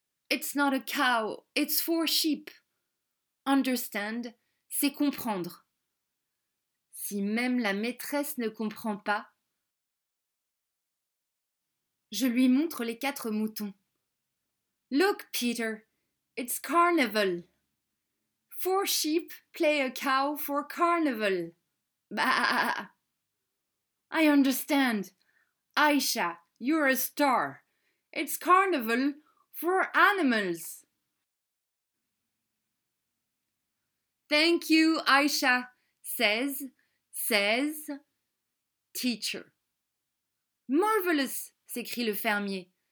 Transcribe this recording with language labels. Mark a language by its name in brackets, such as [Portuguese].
[English] It's not a cow, it's four sheep. [French] Understand, c'est comprendre. » Si même la maîtresse ne comprend pas, je lui montre les quatre moutons. [English] « Look, Peter, it's carnival. Four sheep play a cow for carnival. Bah. I understand. Aisha, you're a star. It's carnival for animals. Thank you, Aisha, says teacher. [French] Marvelous, s'écrie le fermier.